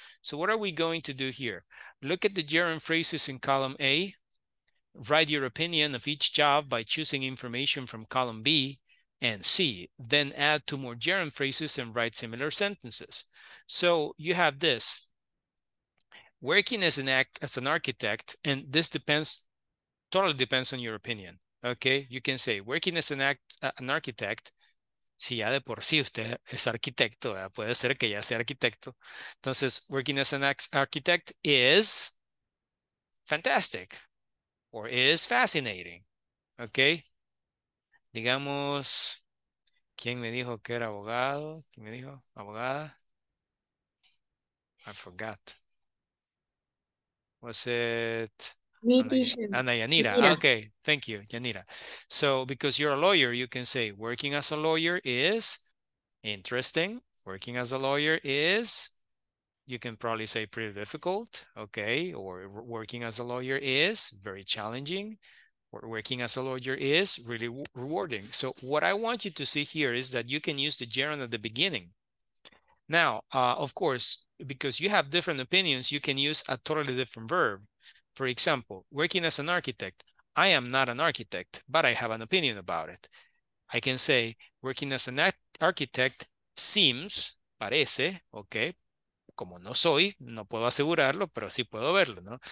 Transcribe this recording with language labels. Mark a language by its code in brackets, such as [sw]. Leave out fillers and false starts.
[en] So what are we going to do here? Look at the gerund phrases in column A, write your opinion of each job by choosing information from column B and C, then add two more gerund phrases and write similar sentences. So you have this, working as an architect, and this totally depends on your opinion. Okay, you can say working as an architect. [es] Si ya de por sí usted es arquitecto, ¿verdad? Puede ser que ya sea arquitecto. Entonces, [en] working as an architect is fantastic or is fascinating. [es] Okay, digamos, ¿quién me dijo que era abogado? ¿Quién me dijo? ¿Abogada? [en] I forgot. Was it? Ana Yanira. Okay, thank you, Yanira. So because you're a lawyer, you can say working as a lawyer is interesting. Working as a lawyer is, you can probably say pretty difficult, okay? Or working as a lawyer is very challenging. Or working as a lawyer is really rewarding. So what I want you to see here is that you can use the gerund at the beginning. Now, of course, because you have different opinions, you can use a totally different verb. For example, working as an architect, I am not an architect, but I have an opinion about it. I can say working as an architect seems, [es] parece, okay, como no soy, no puedo asegurarlo, pero sí puedo verlo, ¿no?